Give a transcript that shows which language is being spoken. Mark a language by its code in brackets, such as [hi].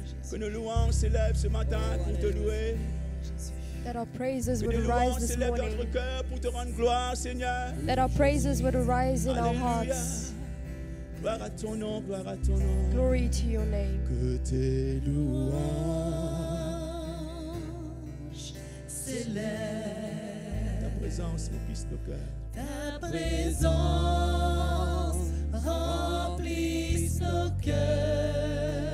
[fr] Que nos louanges s'élèvent ce matin pour te louer. [en] That our praises would arise this morning. [fr] Que nos louanges s'élèvent dans notre cœur pour te rendre gloire, Seigneur. [en] That our praises would arise in our hearts. [fr] Gloire à ton nom, gloire à ton nom. [en] Glory to your name. [fr] Que tes louanges s'élèvent. Ta présence remplisse nos cœurs. Ta présence remplisse nos cœurs.